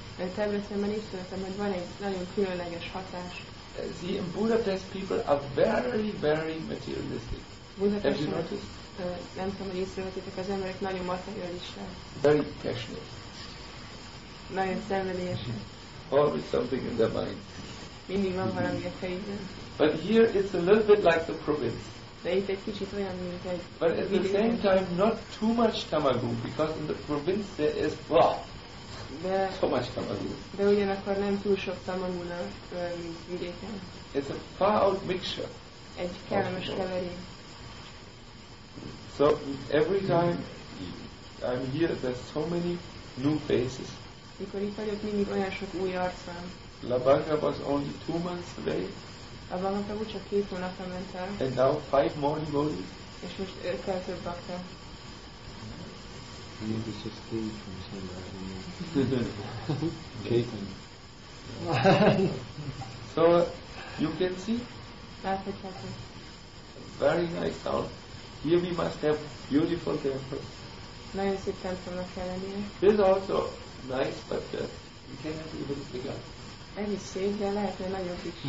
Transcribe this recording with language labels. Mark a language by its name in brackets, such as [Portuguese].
[Hungarian] Én Debrecenben is tudtam, hogy van egy nagyon különleges hatás. [English] See, in Budapest people are very, very materialistic. Have you noticed? [Hungarian] Nem tudom, hogy észrevetitek, az emberek nagyon materialisták. [English] Very passionate. [Hungarian] Nagyon szenvedélyesek. [English] Always something in their mind. [Hungarian] Mindig van valami a fejükben. [English] But here it's a little bit like the province. [Hungarian] De itt egy kicsit olyan, mint egy... [English] But at the same time, not too much tamagú, because in the province there is, wow, [Hungarian] de, [English] so much tamagú. [Hungarian] De ugyanakkor nem túl sok tamagúnak, mint vidéken. [English] It's a far out mixture. [Hungarian] Egy kellemes keverék. [English] So every time I'm here, there's so many new faces. [Hungarian] Mikor itt vagyok, mindig olyan sok új arc van. [English] La Banca was only 2 months away. [Hungarian] A Banca Prabhu csak 2 hónapra ment el. [English] And now 5 more devotees. [Hungarian] És most 5 kell több bakta. [English] I mean, this is Kate from somewhere. Kate. So, you can see? Perfect. Very nice town. Here we must have beautiful temples. [Hungarian] Nagyon szép templomnak kell lennie. [English] This is also nice, but you can have even bigger. [Hungarian] Ez is szép, de lehet, hogy nagyon kicsi.